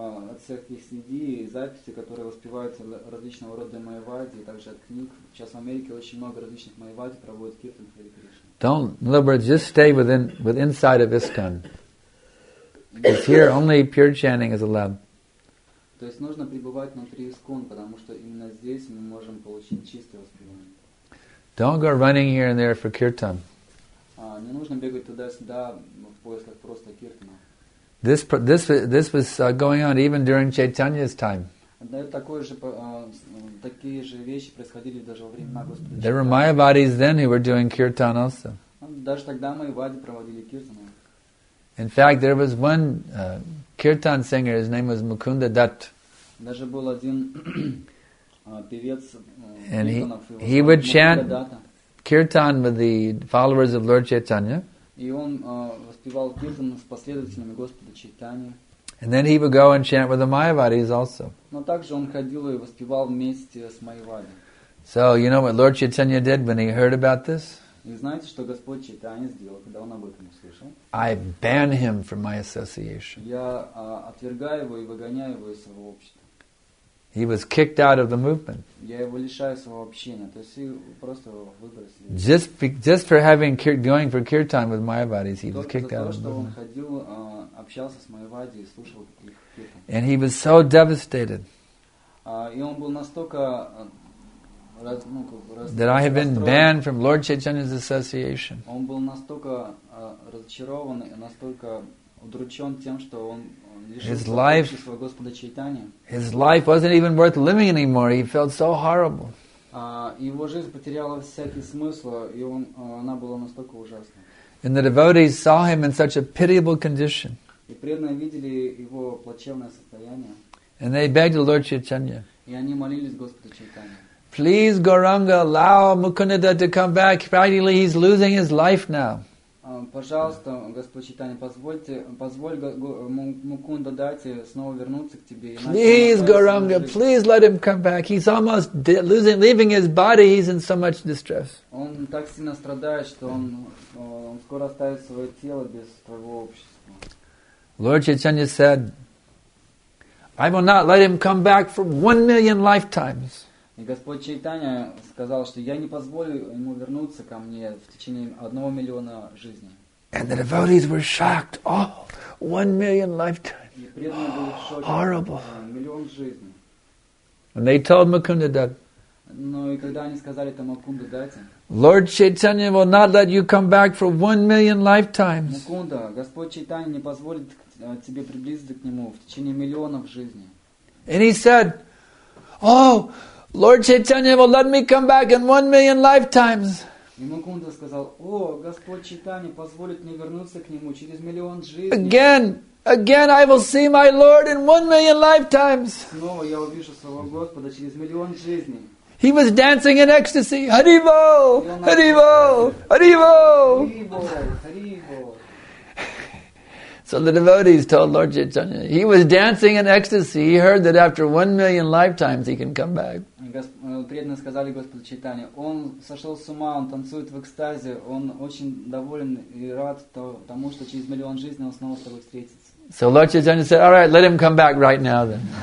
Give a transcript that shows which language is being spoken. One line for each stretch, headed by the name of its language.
Russian: От всяких CD записи, которые воспеваются различного рода Mayavadi, также от книг. Сейчас в Америке очень много различных Mayavadi проводят киртан Hare Krishna.
English: Don't, in other words, just stay within inside of ISKCON. Because here only pure chanting is allowed.
Russian: То есть нужно пребывать внутри ИСККОН, потому что именно здесь мы можем получить чистое воспевание.
English: Don't go running here and there for kirtan.
Russian: Не нужно бегать туда-сюда в поисках просто киртана.
English: This was going on even during Chaitanya's time. There were Mayavadis then who were doing kirtan also.
Russian: Даже тогда Mayavadi проводили киртан.
English: In fact, there was one kirtan singer, his name was Mukunda Dutt.
Russian: Даже был один певец,
English: and he would chant kirtan with the followers of Lord Chaitanya.
Russian: И он воспевал киртан с последователями Господа Чайтани.
English: And then he would go and chant with the Mayavadis also.
Russian: Но также он ходил и воспевал вместе с Mayavadi.
English: So, you know what Lord Chaitanya did when he heard about this?
Russian: И знаете, что Господь Чайтани сделал, когда он об этом услышал?
English: I ban him from my association.
Russian: Я отвергаю его и выгоняю его из своего общества.
English: He was kicked out of the movement.
Russian: Я его лишаю своего общения, то есть его просто выбросили.
English: Just for having going for kirtan with Mayavadis, he was kicked out of the movement.
Russian: Он ходил, общался с Mayavadi и слушал их киртан.
English: And he was so devastated.
Russian: И он был настолько
English: that I have been banned from Lord Chaitanya's association.
Russian: Он был настолько разочарован и настолько удручен тем, что он лишился общества Господа Чайтани.
English: His life wasn't even worth living anymore. He felt so horrible.
Russian: Его жизнь потеряла всякий смысл, и она была настолько ужасна.
English: And the devotees saw him in such a pitiable condition.
Russian: И преданные видели его плачевное состояние.
English: And they begged the Lord Chaitanya.
Russian: И они молились Господу Чайтани.
English: Please, Gauranga, allow Mukundada to come back. Practically, he's losing his life now.
Russian: Пожалуйста, Господь Чайтани, позволь Мукундадате снова вернуться к тебе.
English: Please, Gauranga, please let him come back. He's almost leaving his body. He's in so much distress.
Russian: Он так сильно страдает, что он скоро оставит свое тело без твоего общества.
English: Lord Chaitanya said, I will not let him come back for 1,000,000 lifetimes.
Russian: И Господь Чайтанья сказал, что я не позволю ему вернуться ко мне в течение 1,000,000 жизней.
English: And the devotees were shocked. Oh, 1,000,000 lifetimes.
Russian: И преданные были в шоке.
English: Horrible.
Russian: Миллион жизней.
English: And they told Mukundadatta.
Russian: Но и когда они сказали это Мукундадате.
English: Lord Chaitanya will not let you come back for 1,000,000 lifetimes.
Russian: Мукунда, Господь Чайтанья не позволит тебе приблизиться к нему в течение миллионов жизней.
English: And he said, oh, Lord Chaitanya will let me come back in 1,000,000 lifetimes.
Russian: И Мукунда сказал, о, Господь Чайтани позволит мне вернуться к нему через миллион жизней.
English: Again, I will see my Lord in 1,000,000 lifetimes.
Russian: Снова я увижу своего Господа через миллион жизней.
English: He was dancing in ecstasy. Haribo! Haribo! Haribo! Haribo! So the devotees told Lord Chaitanya, he was dancing in ecstasy. He heard that after 1,000,000 lifetimes, he can come back.
Russian: Преданные сказали Господу Чайтани, он сошел с ума, он танцует в экстазе, он очень доволен и рад тому, что через миллион жизней он снова с тобой встретится.
English: So Lord Chaitanya said, all right, let him come back right now then.